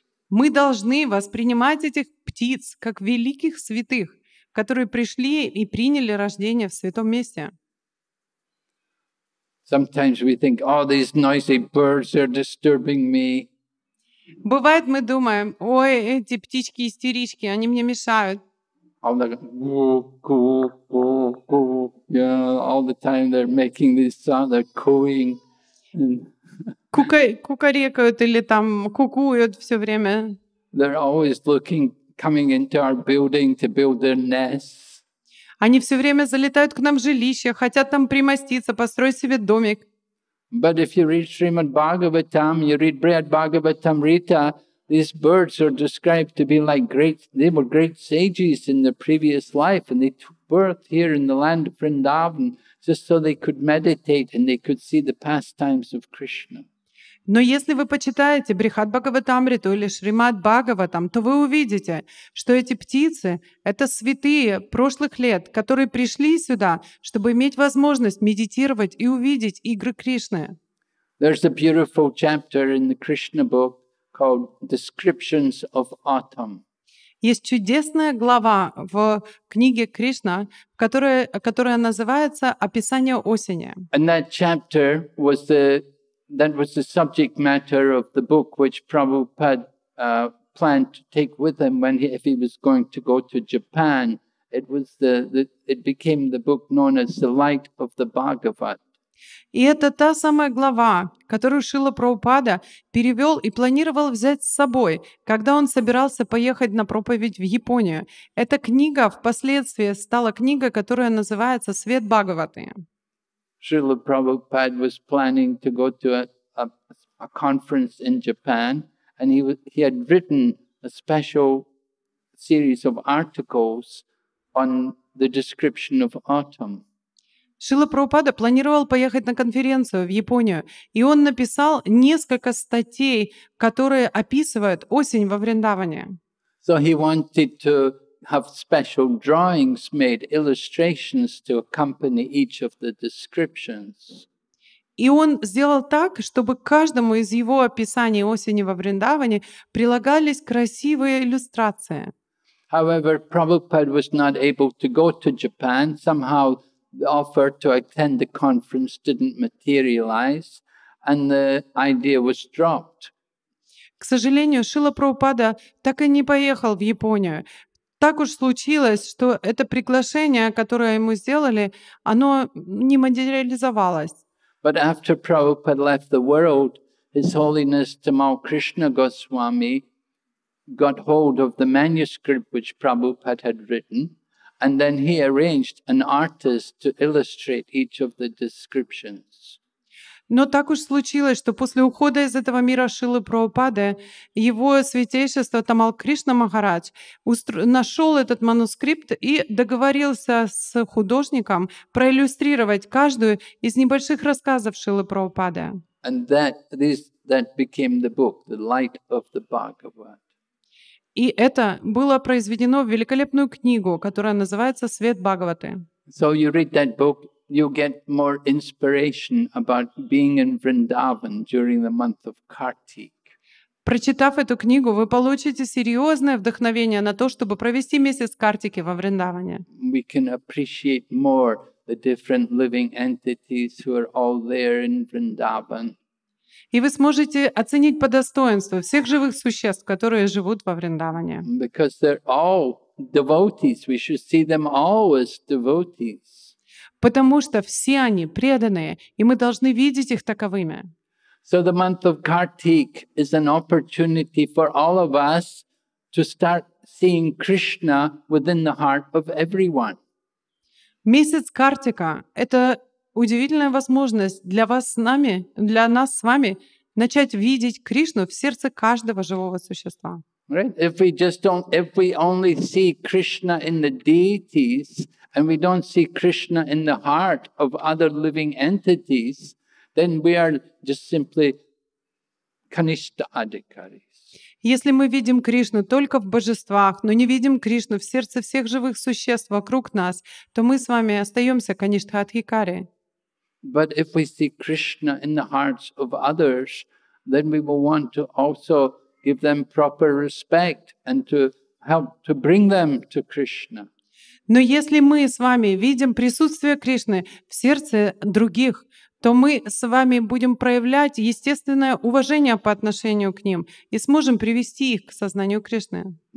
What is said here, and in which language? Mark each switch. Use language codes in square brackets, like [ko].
[ru] Мы должны воспринимать этих птиц как великих святых, которые пришли и приняли рождение в святом месте. [en] Sometimes we think, oh, these noisy birds are disturbing me. [ru] Бывает, мы думаем, ой, эти птички истерички, они мне мешают. [en] All the coo, yeah, all the time they're making these sounds, they're cooing. [ru] кукарекают или там кукуют все время. [en] They're always looking, coming into our building to build their nest. [ru] Они все время залетают к нам в жилище, хотят там примоститься, построить себе домик. [en] But if you read Srimad Bhagavatam, you read Brihad Bhagavatam Rita, these birds are described to be like great, they were great sages in their previous life, and they took birth here in the land of Vrindavan just so they could meditate and they could see the pastimes of Krishna. [ru] Но если вы почитаете Брихад Бхагаватамриту или Шримад Бхагаватам, то вы увидите, что эти птицы — это святые прошлых лет, которые пришли сюда, чтобы иметь возможность медитировать и увидеть игры Кришны. [en] There's a beautiful chapter in the Krishna book called Descriptions of Autumn. [ru] Есть чудесная глава в книге Кришна, которая называется «Описание осени». [en] And that chapter was the That was the subject matter of the book which Prabhupada planned to take with him when he, if he was going to go to Japan. It was it became the book known as the Light of the Bhagavat. [ru] И это та самая глава, которую Шрила Прабхупада перевел и планировал взять с собой, когда он собирался поехать на проповедь в Японию. Эта книга впоследствии стала книгой, которая называется «Свет Бхагаваты». [en] Srila Prabhupada was planning to go to a conference in Japan, and he had written a special series of articles on the description of autumn. [ru] Srila Prabhupada планировал поехать на конференцию в Японию, и он написал несколько статей, которые описывают осень во Вриндаване. [en] So he wanted to have special drawings made, illustrations to accompany each of the descriptions. [ru] И он сделал так, чтобы к каждому из его описаний осени во Вриндаване прилагались красивые иллюстрации. [en] However, Prabhupada was not able to go to Japan. Somehow the offer to attend the conference didn't materialize, and the idea was dropped. [ru] К сожалению, Шрила Прабхупада так и не поехал в Японию. Так уж случилось, что это приглашение, которое ему сделали, оно не материализовалось. [en] But after Prabhupada left the world, His Holiness Tamal Krishna Goswami got hold of the manuscript which Prabhupada had written, and then he arranged an artist to illustrate each of the descriptions. [ru] Но так уж случилось, что после ухода из этого мира Шрилы Прабхупады его святейшество Тамал Кришна Махарадж нашел этот манускрипт и договорился с художником проиллюстрировать каждую из небольших рассказов Шрилы Прабхупады. [en] And that became the book, The Light of the Bhagavat. [ru] И это было произведено в великолепную книгу, которая называется «Свет Бхагаваты». [en] So you read that book. You get more inspiration about being in Vrindavan during the month of Kartik. [ru] Прочитав эту книгу, вы получите серьезное вдохновение на то, чтобы провести месяц Картики во Вриндаване. [en] We can appreciate more the different living entities who are all there in Vrindavan. [ru] И вы сможете оценить по достоинству всех живых существ, которые живут во Вриндаване. [en] Because they're all devotees, we should see them all as devotees. [ru] Потому что все они преданные, и мы должны видеть их таковыми. [en] So the month of Kartik is an opportunity for all of us to start seeing Krishna within the heart of everyone. [ru] Месяц Картика — это удивительная возможность для вас с нами, для нас с вами, начать видеть Кришну в сердце каждого живого существа. [en] Right? If we only see Krishna in the deities, and we don't see Krishna in the heart of other living entities, then we are just simply kanishta adhikaris. [ru] Если мы видим Кришну только в божествах, но не видим Кришну в сердце всех живых существ вокруг нас, то мы с вами остаемся kanishta adhikari. [en] But if we see Krishna in the hearts of others, then we will want to also give them proper respect and to help to bring them to Krishna. [ru] Но если мы с вами видим присутствие Кришны в сердце других, то мы с вами будем проявлять естественное уважение по отношению к ним и сможем привести их к сознанию Кришны.